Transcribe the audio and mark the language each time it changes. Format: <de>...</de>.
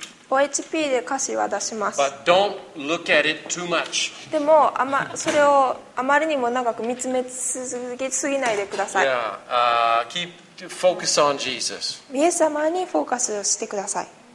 <ja>OHP で歌詞は出します。</ja> <en>But don't look at it too much.</en> <ja>でもそれをあまりにも長く見つめすぎないでください。</ja> <en>Yeah, keep focus on Jesus.</en> <ja>イエス様にフォーカスをしてください。</ja>